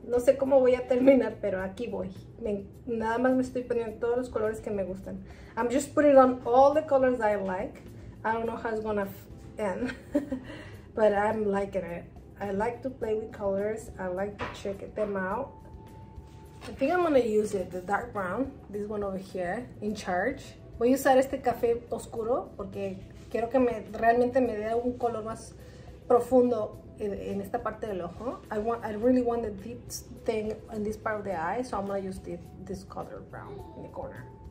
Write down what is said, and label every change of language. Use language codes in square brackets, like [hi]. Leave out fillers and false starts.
[es] No sé cómo voy a terminar, pero aquí voy. Nada más me estoy poniendo todos los colores que me gustan. [en] I'm just putting on all the colors I like. I don't know how it's gonna end, but I'm liking it. I like to play with colors. I like to check them out. I think I'm gonna use it, the dark brown, this one over here, in charge. [es] Voy a usar este café oscuro porque quiero que realmente me dé un color más profundo en esta parte del ojo. [en] I really want the deep thing in this part of the eye, so I'm gonna use this color brown in the corner.